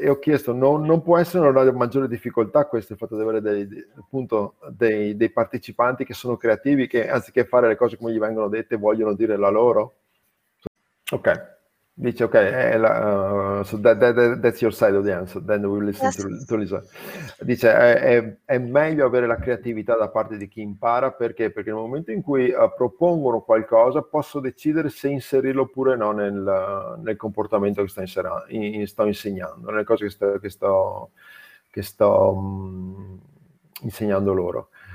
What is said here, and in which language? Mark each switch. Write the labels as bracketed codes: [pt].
[it] E ho chiesto, non può essere una maggiore difficoltà questo, il fatto di avere appunto dei partecipanti che sono creativi, che anziché fare le cose come gli vengono dette, vogliono dire la loro? [en] Ok, dice ok, so that's your side of the answer, then we will listen Yes. to Lisa. [it] Dice, è meglio avere la creatività da parte di chi impara, perché? Perché nel momento in cui propongono qualcosa, posso decidere se inserirlo oppure no nel comportamento che sto insegnando, nelle cose che sto insegnando loro.